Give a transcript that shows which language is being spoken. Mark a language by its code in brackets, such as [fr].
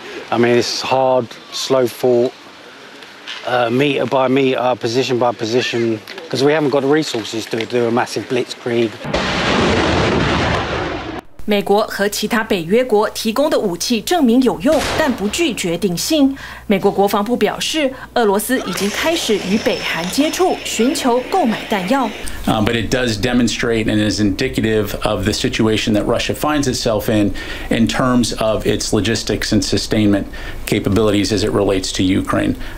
[en] I mean, it's hard, slow fought, meter by meter, position by position, because we haven't got the resources to do a massive blitzkrieg. [zh] 美国和其他北约国提供的武器证明有用，但不具决定性。美国国防部表示，俄罗斯已经开始与北韩接触，寻求购买弹药。 [en] But it does demonstrate and is indicative of the situation that Russia finds itself in terms of its logistics and sustainment capabilities as it relates to Ukraine.